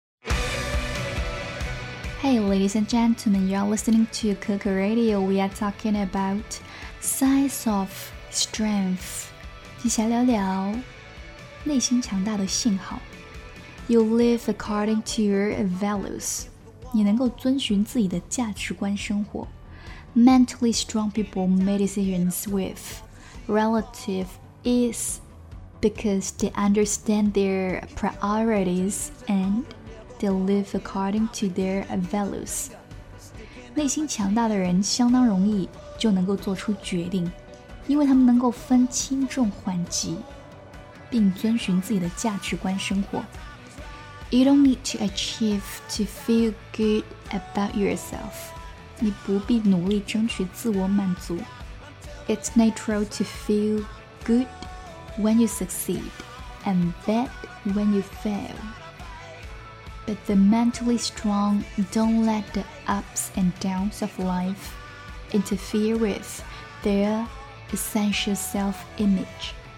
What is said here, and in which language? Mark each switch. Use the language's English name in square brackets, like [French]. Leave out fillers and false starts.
[English] Hey, ladies and gentlemen, you are listening to Coco Radio. We are talking about size of strength. [Chinese] 接下来聊聊内心强大的信号。 [English] You live according to your values. [Chinese] 你能够遵循自己的价值观生活。 [English] Mentally strong people make decisions with relative ease because they understand their priorities and they live according to their values. [Chinese] 内心强大的人相当容易就能够做出决定，因为他们能够分轻重缓急，并遵循自己的价值观生活。 [English] You don't need to achieve to feel good about yourself. [Chinese] 你不必努力争取自我满足。 [English] It's natural to feel good when you succeed and bad when you fail. But the mentally strong don't let the ups and downs of life interfere with their essential self-image.